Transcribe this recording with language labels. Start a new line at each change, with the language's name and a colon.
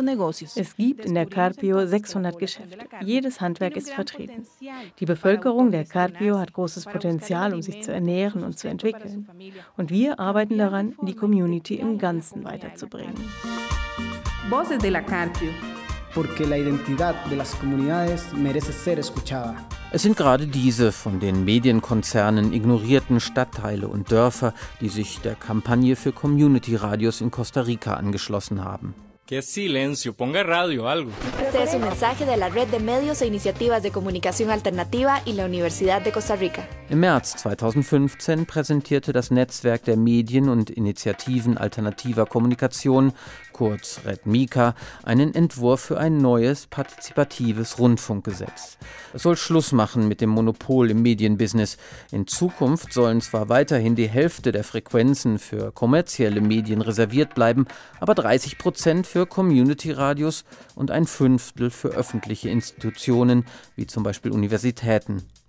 German: Es gibt in der Carpio 600 Geschäfte. Jedes Handwerk ist vertreten. Die Bevölkerung der Carpio hat großes Potenzial, um sich zu ernähren und zu entwickeln. Und wir arbeiten daran, die Community im Ganzen weiterzubringen.
Spanish: Voces de la Carpio. Porque la identidad de las comunidades merece ser escuchada.
German: Es sind gerade diese von den Medienkonzernen ignorierten Stadtteile und Dörfer, die sich der Kampagne für Community Radios in Costa Rica angeschlossen haben.
Spanish: Que silencio, ponga radio algo. Este es un mensaje de la Red de Medios e Iniciativas de Comunicación Alternativa y la Universidad de Costa Rica.
German: Im März 2015 präsentierte das Netzwerk der Medien und Initiativen alternativer Kommunikation, kurz Red Mica, einen Entwurf für ein neues partizipatives Rundfunkgesetz. Es soll Schluss machen mit dem Monopol im Medienbusiness. In Zukunft sollen zwar weiterhin die Hälfte der Frequenzen für kommerzielle Medien reserviert bleiben, aber 30% für Community-Radios und ein Fünftel für öffentliche Institutionen, wie zum Beispiel Universitäten.